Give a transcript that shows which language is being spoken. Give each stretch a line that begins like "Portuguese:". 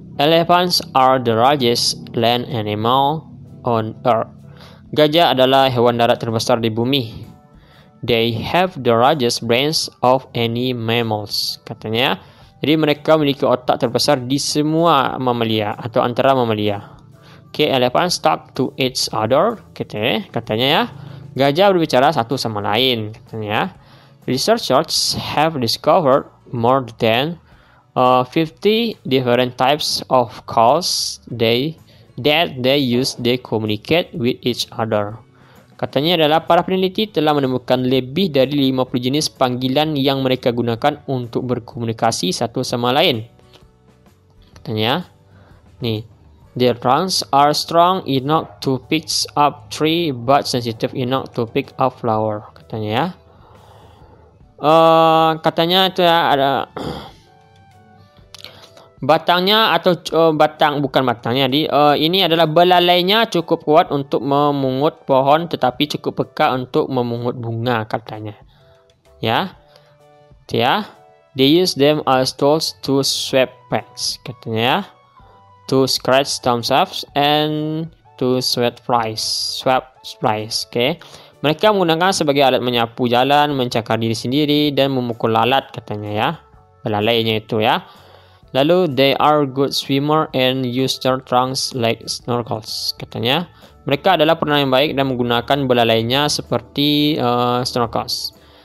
English: Elephants are the largest land animal on earth.
Indonesian: Gajah adalah hewan darat terbesar di bumi.
English: They have the largest brains of any mammals,
Indonesian: katanya. Jadi mereka memiliki otak terbesar di semua mamalia atau antara mamalia.
English: Okay, elephants talk to each other,
Indonesian: katanya ya. Gajah berbicara satu sama lain, katanya.
English: Researchers have discovered more than 50 different types of calls that they use to communicate with each other.
Indonesian: Katanya adalah para peneliti telah menemukan lebih dari 50 jenis panggilan yang mereka gunakan untuk berkomunikasi satu sama lain. Katanya, nih,
English: their trunks are strong enough to pick up tree but sensitive enough to pick up flower.
Indonesian: Katanya ya. Katanya itu ya ada batangnya atau batang bukan batangnya di ini adalah belalainya cukup kuat untuk memungut pohon tetapi cukup peka untuk memungut bunga katanya ya itu ya.
English: They use them as tools to sweep pets
Indonesian: katanya ya.
English: To scratch themselves and to sweep flies okay.
Indonesian: Mereka menggunakan sebagai alat menyapu jalan, mencakar diri sendiri, dan memukul lalat, katanya ya. Belalainya itu ya. Lalu,
English: they are good swimmer and use their trunks like snorkels,
Indonesian: katanya. Mereka adalah perenang yang baik dan menggunakan belalainya seperti snorkels.